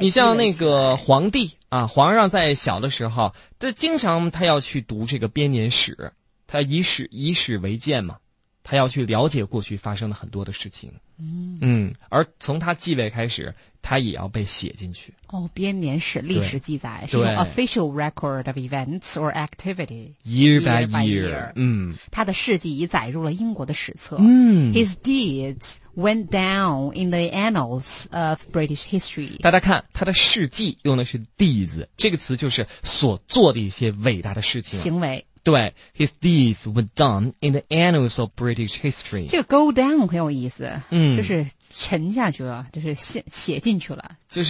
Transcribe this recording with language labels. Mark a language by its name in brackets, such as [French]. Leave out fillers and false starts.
[Chinese] 你像那个皇帝啊，皇上在小的时候，这经常他要去读这个编年史，他以史为鉴嘛，他要去了解过去发生的很多的事情。嗯嗯，而从他继位开始，他也要被写进去。哦，编年史历史记载是用 [English] official record of events or activity year by year。嗯， [Chinese] 他的事迹已载入了英国的史册。嗯， [English] His deeds went down in the annals of British history。 [Chinese] 大家看他的事迹用的是 deeds， 这个词就是所做的一些伟大的事情，行为，对 [English] ，his deeds were done in the annals of British history。 [Chinese] 这个 go down 很有意思，嗯，就是沉下去了，就是写进去了，就是、